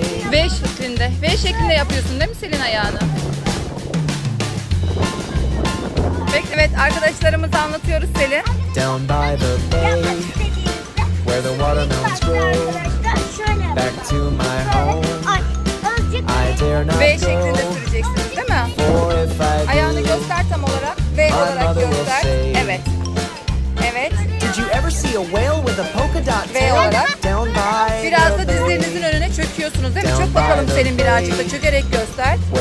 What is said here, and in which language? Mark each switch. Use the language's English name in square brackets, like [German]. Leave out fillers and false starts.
[Turkish] V şeklinde, V şeklinde yapıyorsun değil mi Selin ayağını? Peki, evet arkadaşlarımıza anlatıyoruz Selin. [English] Down by the bay, where the watermelons grow, back to my home. I dare not go. [Turkish] V şeklinde süreceksiniz değil mi? Ayağını göster tam olarak, V olarak göster. Evet. [English] Did you ever see a whale with a polka dot tail? [Turkish] Biraz da dizlerinizin önüne çöküyorsunuz değil mi? Çök bakalım Selin birazcık da çökerek göster.